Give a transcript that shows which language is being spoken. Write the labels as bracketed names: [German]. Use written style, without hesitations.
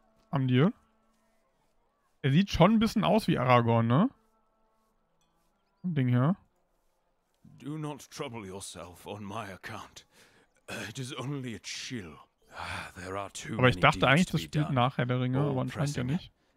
[German] Amdir. Er sieht schon ein bisschen aus wie Aragorn, ne? Vom Ding her. [English] Do not trouble yourself on my account. It is only a chill. There are too [German] aber ich dachte eigentlich, das spielt nach Herr der Ringe, aber anscheinend ja nicht.